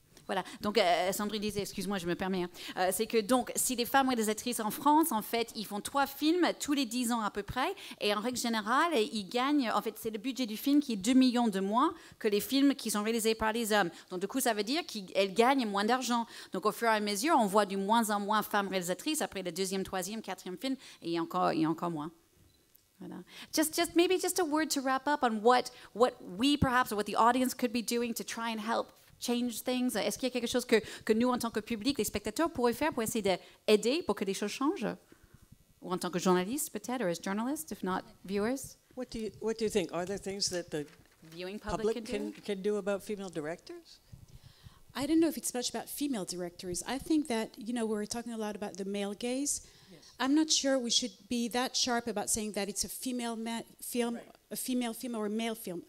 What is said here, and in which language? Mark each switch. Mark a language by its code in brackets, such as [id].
[fr] Voilà, donc Sandrine disait, excuse-moi, je me permets, c'est que donc si des femmes ou des actrices en France, en fait, ils font 3 films tous les 10 ans à peu près, et en règle générale, ils gagnent, en fait, c'est le budget du film qui est 2 millions de moins que les films qui sont réalisés par les hommes. Donc du coup, ça veut dire qu'elles gagnent moins d'argent. Donc au fur et à mesure, on voit du moins en moins femmes réalisatrices après le deuxième, troisième, quatrième film, et encore moins. [en] Just maybe just a word to wrap up on what we perhaps, or what the audience could be doing to try and help change things? [fr] Est-ce qu'il y a quelque chose que nous, en tant que public, les spectateurs, pourraient faire pour essayer d'aider pour que les choses changent? Ou en tant que journaliste, peut-être, ou [en] as journalist, if not viewers? What do you think? Are there things that the viewing public can do about female directors? I don't know if it's much about female directors. I think that, you know, we're talking a lot about the male gaze. I'm not sure we should be that sharp about saying that it's a female film, right. A female film or a male film.